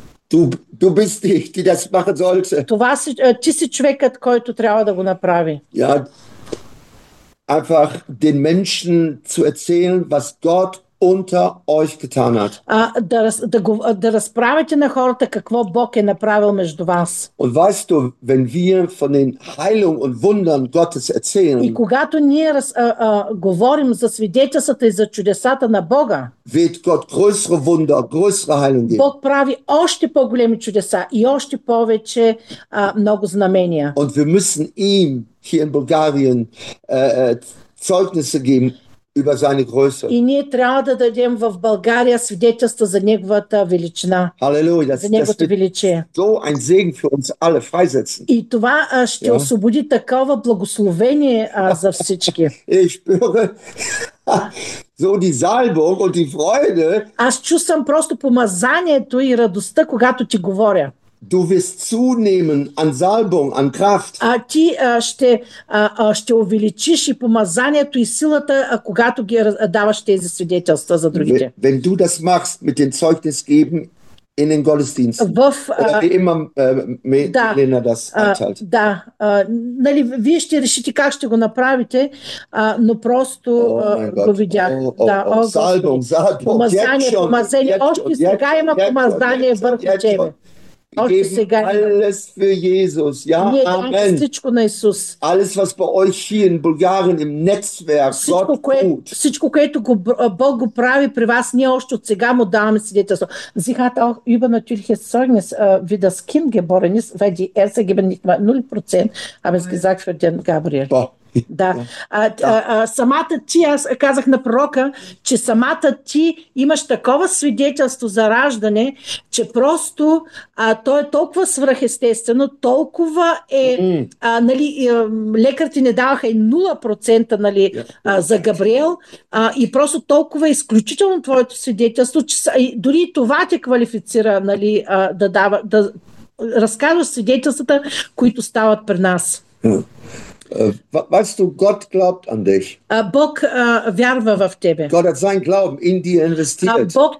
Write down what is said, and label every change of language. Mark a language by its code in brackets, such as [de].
[de] Du bist die das machen sollte. [bg] Това си, ти си човекът, който трябва да го направи. [de] Ja. Einfach den Menschen zu erzählen, was Gott unter euch getan hat. [bg] Да разправите на хората какво Бог е направил между вас. [de] Und weißt du, wenn wir von den Heilung und Wundern Gottes erzählen, [bg] и когато ние говорим за свидетелствата и за чудесата на Бога, [de] wird Gott größere Wunder, größere Heilung geben. [bg] Бог прави още по-големи чудеса и още повече много знамения. [de] Und wir müssen ihm hier in Bulgarien Zeugnisse geben über seine Größe. [bg] И ние трябва да дадем в България свидетелство за неговата величина. [de] Halleluja, [bg] за неговото величие. [de] So ein Segen für uns alle freisetzen. [bg] И това ще освободи такова благословение за всички. [de] Ich spüre so die Salbung und die Freude. [bg] Аз чувствам просто помазанието и радостта, когато ти говоря. [de] Du wirst zunehmen an Salbung, an Kraft. [bg] Ти ще увеличиш и помазанието и силата, когато ги даваш тези свидетелства за другите. [de] Wenn du das machst mit den Zeugnis geben in den Gottesdienst Wof, oder wie immer Lena das einteilt. [bg] Da, nali, [de] wie ihr [bg] решите как ще го направите, но просто го видях. Да, [de] Salbung, Salbung, jetzt schon. [bg] Помазание, още сега има помазание върху тебе. [de] Alles für Jesus, ja, Amen. Alles, was bei euch hier in Bulgarien im Netzwerk Gott tut. Sie hat auch übernatürliches Zeugnis, wie das Kind geboren ist, weil die Ärzte geben nicht mal 0%, haben es gesagt für den Gabriel. Boah. [bg] Да. Самата ти, аз казах на пророка, че самата ти имаш такова свидетелство за раждане, че просто то е толкова свръхестествено, толкова е, нали, лекарите не даваха и 0%, нали, за Габриел, и просто толкова е изключително твоето свидетелство, че дори това те квалифицира, нали, да дава, да разказваш свидетелствата, които стават при нас. [de] Weißt du, Gott glaubt an dich. [bg] Бог вярва в тебе. [de] Gott hat sein Glauben in dir investiert.